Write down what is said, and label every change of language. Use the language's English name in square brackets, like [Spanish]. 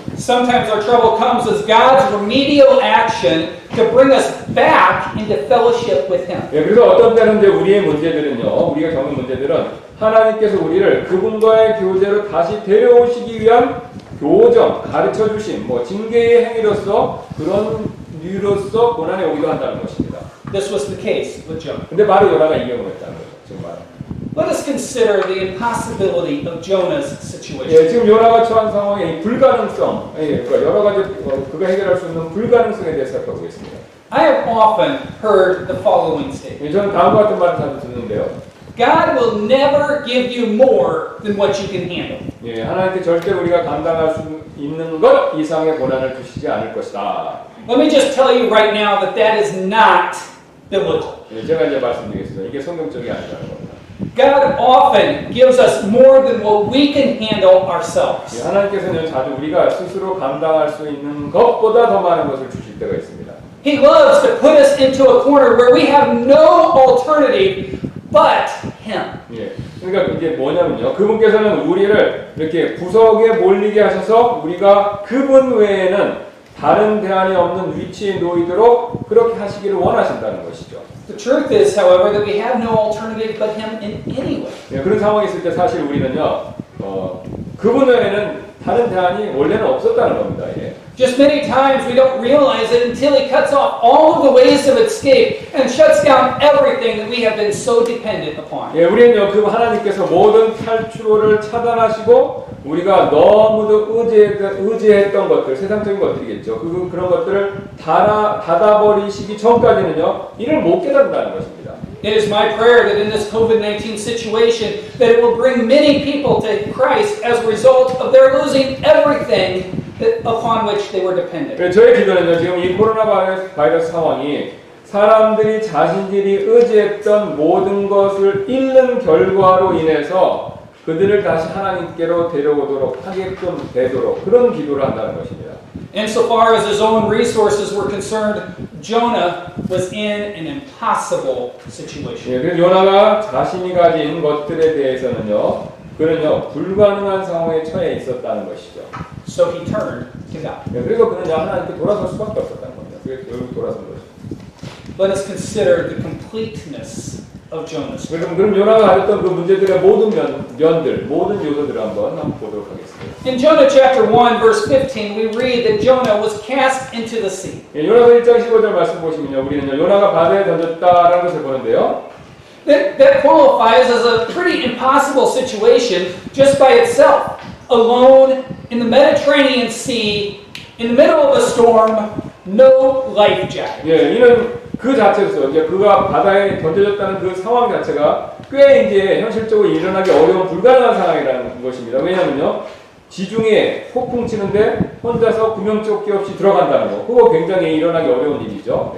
[English] Sometimes our trouble comes as God's remedial action to bring us back into fellowship with Him. [Korean] 예, 그래서 어떤 때는 이제 우리의 문제들은요, 우리가 겪는 문제들은 하나님께서 우리를 그분과의 교제로 다시 데려오시기 위한 교정, 가르쳐 주신 뭐 징계의 행위로서 그런 류로서 고난에 오기도 한다는 것입니다. [English] This was the case with Jonah. [Korean] 근데 바로 요나가 이 경우를 했다는 거죠. [English] Let us consider the impossibility of Jonah's situation. [Korean] 예, 지금 요나가 처한 상황의 불가능성, 예, 그러니까 여러 가지 그가 해결할 수 있는 불가능성에 대해서 살펴보겠습니다. [English] I have often heard the following statement. [Korean] 예, 저는 다음과 같은 말을 자주 듣는데요. [English] God will never give you more than what you can handle. [Korean] 예, 하나님께 절대 우리가 감당할 수 있는 것 이상의 고난을 주시지 않을 것이다. [English] Let me just tell you right now that that is not biblical. [Korean] 예, 제가 이제 말씀드리겠습니다. 이게 성경적이 아니라는 겁니다. [English] God often gives us more than what we can handle ourselves. [Korean] 예, 하나님께서는 자주 우리가 스스로 감당할 수 있는 것보다 더 많은 것을 주실 때가 있습니다. [English] He loves to put us into a corner where we have no alternative but Him. [Korean] 예, 그러니까 이게 뭐냐면요. 그분께서는 우리를 이렇게 구석에 몰리게 하셔서 우리가 그분 외에는 다른 대안이 없는 위치에 놓이도록 그렇게 하시기를 원하신다는 것이죠. [English] The truth is, however, that we have no alternative but Him in any way. [Korean] 예, 그런 상황이 있을 때 사실 우리는요, 그분 외에는 다른 대안이 원래는 없었다는 겁니다. 예. [English] Just many times we don't realize it until He cuts off all of the ways of escape and shuts down everything that we have been so dependent upon. [Korean] 예, 우리는요, 그 하나님께서 모든 탈출로를 차단하시고 우리가 너무도 의지했던 것들, 세상적인 것들이겠죠. 그런 것들을 닫아버리시기 전까지는요, 이를 못 깨닫는다는 것입니다. [English] It is my prayer that in this COVID-19 situation that it will bring many people to Christ as a result of their losing everything upon which they were dependent. [Korean] 저의 기도는요, 지금 이 코로나 바이러스 상황이 사람들이 자신들이 의지했던 모든 것을 잃는 결과로 인해서 그들을 다시 하나님께로 데려오도록 하게끔 되도록 그런 기도를 한다는 것입니다. [English] Insofar as his own resources were concerned, Jonah was in an impossible situation. [Korean] 예, 요나가 자신이 가진 것들에 대해서는요, 그는요 불가능한 상황에 처해 있었다는 것이죠. [English] So he turned to God. [Korean] 예, 그래서 그는 하나님께 돌아설 수밖에 없었다는 겁니다. 그게 결국 돌아선 것이죠. [English] Let us consider the completeness of Jonah's. [Korean] 그럼 요나가 가졌던 그 문제들의 모든 면들, 모든 요소들을 한번 보도록 하겠습니다. [English] In Jonah chapter 1 verse 15, we read that Jonah was cast into the sea. [Korean] 예, 요나서 1장 15절 말씀 보시면요, 우리는 요나가 바다에 던졌다라는 것을 보는데요. [English] That qualifies as a pretty impossible situation just by itself, alone in the Mediterranean Sea, in the middle of a storm, no life jacket. [Korean] 예, 이는 그 자체로서 이제 그가 바다에 던져졌다는 그 상황 자체가 꽤 이제 현실적으로 일어나기 어려운 불가능한 상황이라는 것입니다. 왜냐하면요, 지중해 폭풍 치는데 혼자서 구명조끼 없이 들어간다는 거, 그거 굉장히 일어나기 어려운 일이죠.